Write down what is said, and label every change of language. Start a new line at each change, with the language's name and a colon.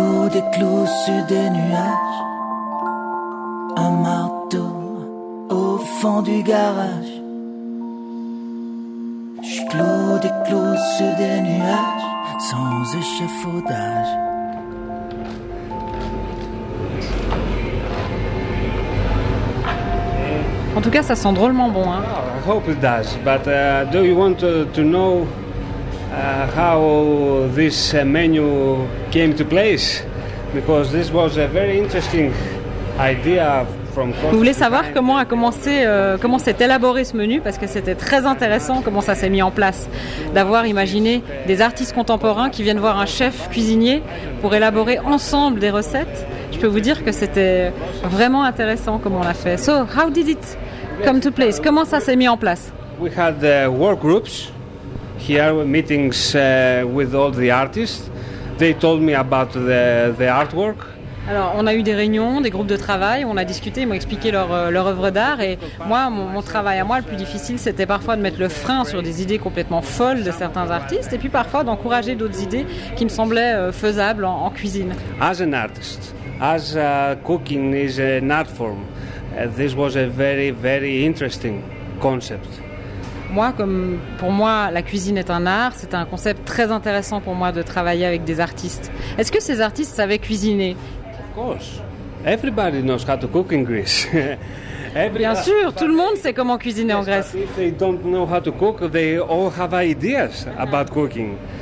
French: Des clous sur des nuages, un marteau au fond du garage. Je cloue des clous sur des nuages sans échafaudage. En tout cas, ça sent drôlement bon, hein?
English: Oh, I hope it does, but do you want to know how this menu came to place? Because this was a very interesting idea from.
French: Vous voulez savoir comment a commencé, comment s'est élaboré ce menu? Parce que c'était très intéressant comment ça s'est mis en place, d'avoir imaginé des artistes contemporains qui viennent voir un chef cuisinier pour élaborer ensemble des recettes. Je peux vous dire que c'était vraiment intéressant comment on a fait.
English: So how did it come to place?
French: Comment ça s'est mis en place?
English: We had the work groups here, meetings with all the artists. They told me about the artwork.
French: Alors, on a eu des réunions, des groupes de travail, on a discuté, ils m'ont expliqué leur œuvre d'art. Et moi, mon travail à moi, le plus difficile, c'était parfois de mettre le frein sur des idées complètement folles de certains artistes, et puis parfois d'encourager d'autres idées qui me semblaient faisables en cuisine.
English: As an artist, as cooking is an art form, this was a very, very interesting concept.
French: Moi, comme pour moi, la cuisine est un art, c'est un concept très intéressant pour moi de travailler avec des artistes. Est-ce que ces artistes savaient cuisiner?
English: Of course. Everybody knows how to cook in Greece.
French: Bien sûr, tout le monde sait comment cuisiner en Grèce.
English: If they don't know how to cook, they all have ideas about cooking.